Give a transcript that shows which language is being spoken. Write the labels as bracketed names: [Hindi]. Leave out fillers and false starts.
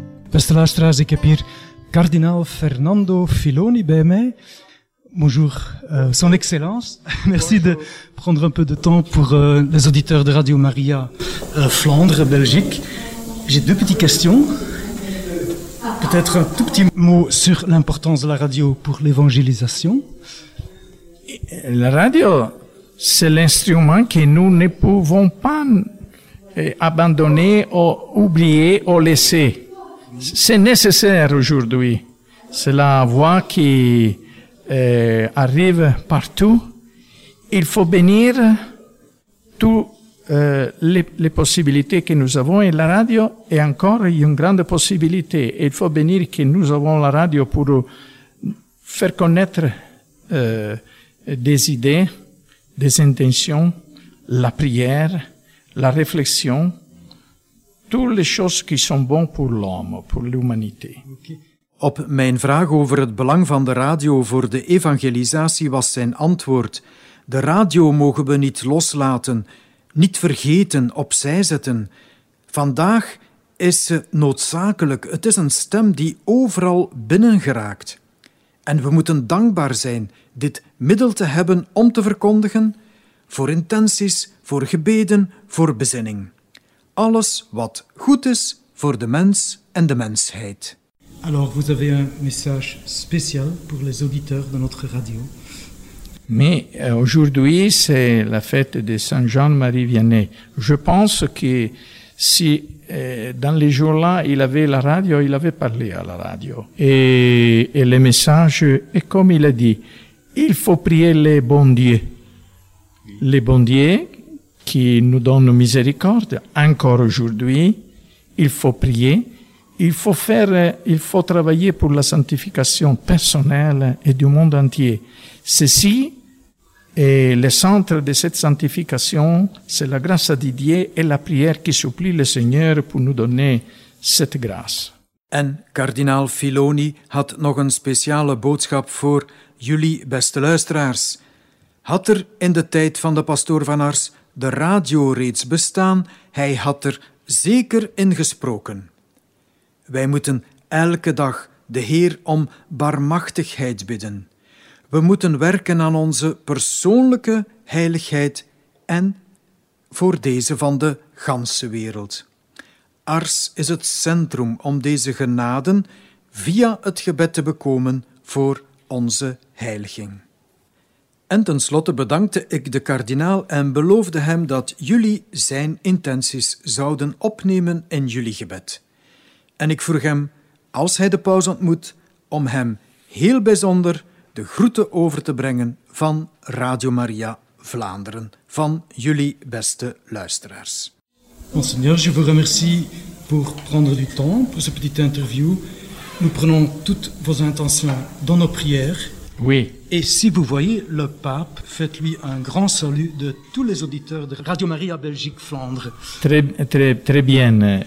[Dutch] Beste luisteraars, ik heb hier kardinaal Fernando Filoni bij mij. [French] Bonjour, son excellence. Merci de prendre un peu de temps pour les auditeurs de Radio Maria Flandre, Belgique. J'ai deux petites questions. Peut-être un tout petit mot sur l'importance de la radio pour l'évangélisation. La radio, c'est l'instrument que nous ne pouvons pas abandonner ou oublier ou laisser. C'est nécessaire aujourd'hui. C'est la voix qui arrive partout. Il faut bénir toutes les possibilités que nous avons. Et la radio est encore une grande possibilité. Et il faut bénir que nous avons la radio pour faire connaître des idées, des intentions, la prière, la réflexion. Toutes les choses qui sont bonnes pour l'homme, pour l'humanité. [Dutch] Op mijn vraag over het belang van de radio voor de evangelisatie was zijn antwoord: de radio mogen we niet loslaten, niet vergeten, opzij zetten. Vandaag is ze noodzakelijk. Het is een stem die overal binnen geraakt. En we moeten dankbaar zijn dit middel te hebben om te verkondigen, voor intenties, voor gebeden, voor bezinning. Alles wat goed is voor de mens en de mensheid. [French] Alors, vous avez un message spécial pour les auditeurs de notre radio. Mais aujourd'hui, c'est la fête de Saint-Jean-Marie Vianney. Je pense que si dans les jours-là, il avait la radio, il avait parlé à la radio. Et le message est comme il a dit, il faut prier les bons dieux. Les bons dieux qui nous donnent miséricorde, encore aujourd'hui, il faut prier. Il faut travailler pour la sanctification personnelle et du monde entier. Ceci est le centre de cette sanctification, c'est la grâce de Dieu et la prière qui supplie le Seigneur pour nous donner cette grâce. [Dutch] En kardinaal Filoni had nog een speciale boodschap voor jullie, beste luisteraars. Had er in de tijd van de pastoor van Ars de radio reeds bestaan, hij had er zeker in gesproken. Wij moeten elke dag de Heer om barmhartigheid bidden. We moeten werken aan onze persoonlijke heiligheid en voor deze van de ganse wereld. Ars is het centrum om deze genaden via het gebed te bekomen voor onze heiliging. En tenslotte bedankte ik de kardinaal en beloofde hem dat jullie zijn intenties zouden opnemen in jullie gebed. En ik vroeg hem, als hij de paus ontmoet, om hem heel bijzonder de groeten over te brengen van Radio Maria Vlaanderen, van jullie beste luisteraars. [French] Monseigneur, je vous remercie pour prendre du temps pour cette petite interview. Nous prenons toutes vos intentions dans nos prières. Oui. Et si vous voyez le pape, faites-lui un grand salut de tous les auditeurs de Radio Maria Belgique Flandre. Très, très, très bien.